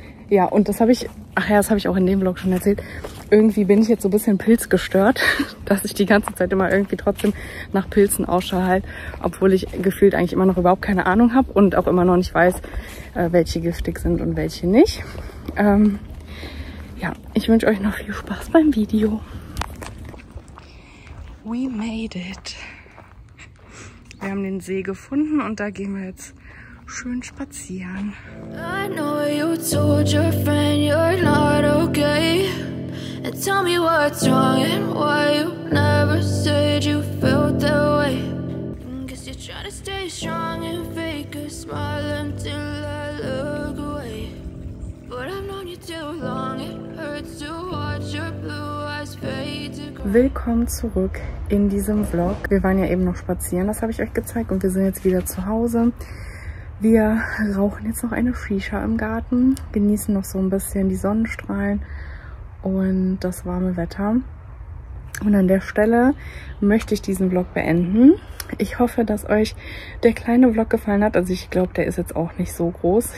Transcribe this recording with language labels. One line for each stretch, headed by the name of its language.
German: Ja, und das habe ich... Ach ja, das habe ich auch in dem Vlog schon erzählt. Irgendwie bin ich jetzt so ein bisschen pilzgestört, dass ich die ganze Zeit immer irgendwie trotzdem nach Pilzen Ausschau halte, obwohl ich gefühlt eigentlich immer noch überhaupt keine Ahnung habe und auch immer noch nicht weiß, welche giftig sind und welche nicht. Ja, ich wünsche euch noch viel Spaß beim Video.
English: We made it.
German: Wir haben den See gefunden und da gehen wir jetzt schön spazieren.
English: I know you told your friend you're not okay. And tell me what's wrong and why you never said you felt that way. Cause you're trying to stay strong and fake a smile until I look away. But I've known you too long, it hurts to watch your blue eyes fade to grey.
German: Willkommen zurück in diesem Vlog. Wir waren ja eben noch spazieren, das habe ich euch gezeigt. Und wir sind jetzt wieder zu Hause. Wir rauchen jetzt noch eine Shisha im Garten, genießen noch so ein bisschen die Sonnenstrahlen und das warme Wetter. Und an der Stelle möchte ich diesen Vlog beenden. Ich hoffe, dass euch der kleine Vlog gefallen hat. Also ich glaube, der ist jetzt auch nicht so groß.